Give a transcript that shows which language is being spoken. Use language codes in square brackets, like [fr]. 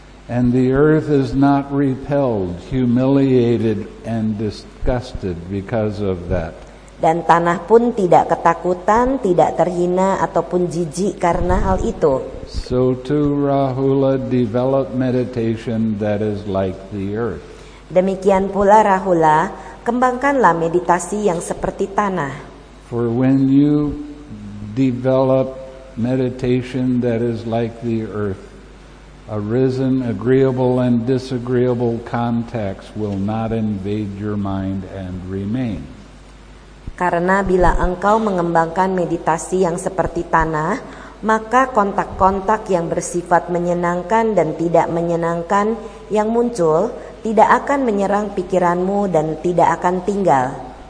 [en] And the earth is not repelled, humiliated, and disgusted because of that. [id] Dan tanah pun tidak ketakutan, tidak terhina, ataupun jijik karena hal itu. [en] So too, Rahula, develop meditation that is like the earth. [id] Demikian pula, Rahula, kembangkanlah meditasi yang seperti tanah. [en] For when you develop meditation that is like the earth, arisen, agreeable, and disagreeable contacts will not invade your mind and remain. [id] Karena bila engkau mengembangkan meditasi yang seperti tanah, maka kontak-kontak yang bersifat menyenangkan dan tidak menyenangkan yang muncul tidak akan menyerang pikiranmu dan tidak akan tinggal.